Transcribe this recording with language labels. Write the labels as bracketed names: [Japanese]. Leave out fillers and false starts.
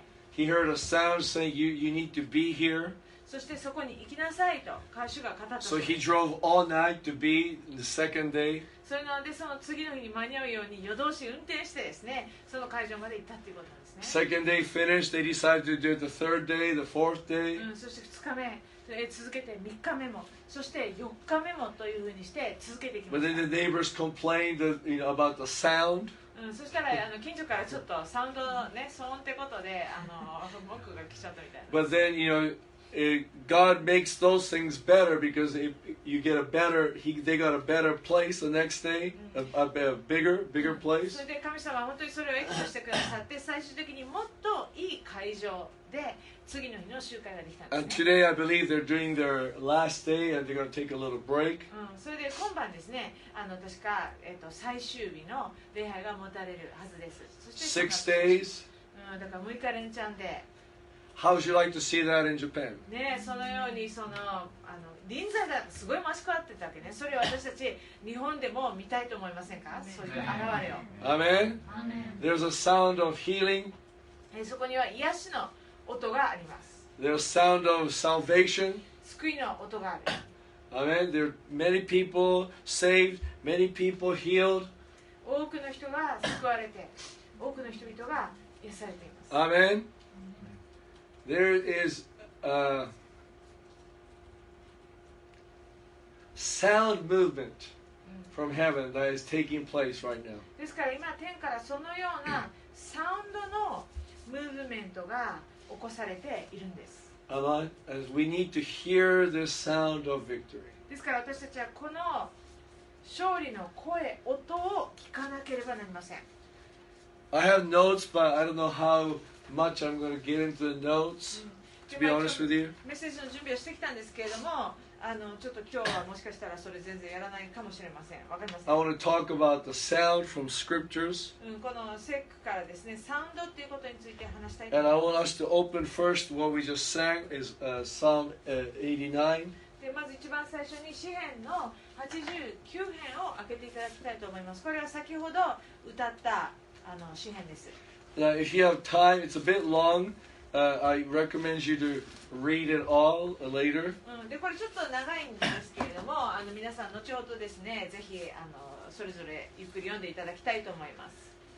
[English] He heard a sound saying, you need to be here. [Japanese] そしてそこに行きなさいと歌手が語ったそうです。 [English] So he drove all night to be the second day. [Japanese] それなのでその次の日に間に合うように夜通し運転してですね、その会場まで行ったということなんですね。 [English] Second day finished, they decided to do it the third day, the fourth day.、 [Japanese] そして2日目、続けて3日目も、そして4日目もというふうにして続けてきました。 [English] But then the neighbors complained that, you know, about the sound. [Japanese] そしたらあの近所からちょっとサウンドのね、騒音ってことで、あの、僕が来ちゃったみたいな。 [English] But then, you know,God makes those things better because if you get a better, they got a better place the next day, a bigger place. [Japanese] それで神様は本当にそれを益としてくださって、最終的にもっといい会場で次の日の集会ができたんですね。 [English] And today I believe they're doing their last day and they're going to take a little break. [Japanese] それで今晩ですね、あの確か最終日の礼拝が持たれるはずです。 [English] Six days. [Japanese] だから6日連チャンで。 [English] How would you like to see that in Japan? [Japanese] ね、そのようにそのあの臨済がすごいましくあってたわけね。それを私たち日本でも見たいと思いませんか？そういう現れを。 [English] Amen. Amen. There's a sound of healing. [Japanese] そこには癒しの音があります。 [English] There's a sound of salvation. [Japanese] 救いの音がある。 [English] Amen. There are many people saved. Many people healed. [Japanese] 多くの人が救われて、多くの人々が癒されています。 [English] Amen. There is a sound movement from heaven that is taking place right now. [Japanese] ですから今天からそのようなサウンドのムーブメントが起こされているんです。 [English] As we need to hear the sound of victory. [Japanese] ですから私たちはこの勝利の声、音を聞かなければなりません。 [English] I have notes, but I don't know how. Much I'm going to get into the notes. To be honest with you. [Japanese] メッセージの準備をしてきたんですけれども、あのちょっと今日はもしかしたらそれ全然やらないかもしれません。わかりますか？ [English] I want to talk about the sound from scriptures. [Japanese] この聖句からですね、サウンドっていうことについて話したい。 [English] And I want us to open first what we just sang is Psalm 89. [Japanese] でまず一番最初に詩編の89編を開けていただきたいと思います。これは先ほど歌ったあの詩編です。 [English] Now, if you have time, it's a bit long. I recommend you to read it all later. [Japanese] で、これちょっと長いんですけれども、あの皆さん後ほどですね、ぜひあのそれぞれゆっくり読んでいただきたいと思います。